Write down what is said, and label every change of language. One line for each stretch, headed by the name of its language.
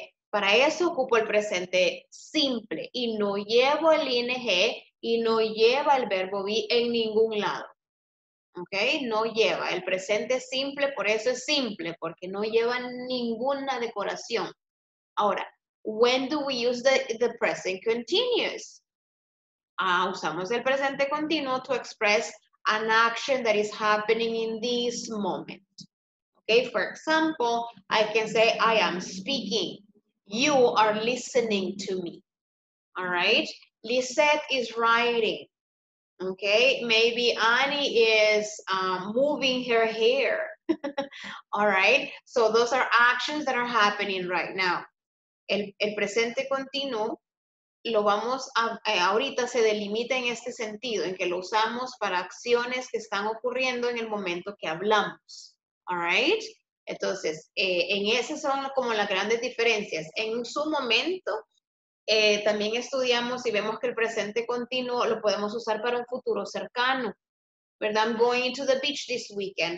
Spanish: Para eso ocupo el presente simple y no llevo el ing y no lleva el verbo be en ningún lado. ¿Ok? No lleva. El presente simple, por eso es simple, porque no lleva ninguna decoración.
English: Ahora, when do we use the present continuous?
Spanish: Usamos el presente continuo
English: to express an action that is happening in this moment. ¿Ok? For example, I can say, I am speaking. You are listening to me. All right? Lisette is writing. Okay, maybe Annie is moving her hair. All right, so those are actions that are happening right now.
Spanish: El presente continuo lo vamos a, ahorita se delimita en este sentido, en que lo usamos para acciones que están ocurriendo en el momento que hablamos. All right, entonces en esas son como las grandes diferencias. En su momento, también estudiamos y vemos que el presente continuo lo podemos usar para un futuro cercano, ¿verdad?
English: I'm going to the beach this weekend.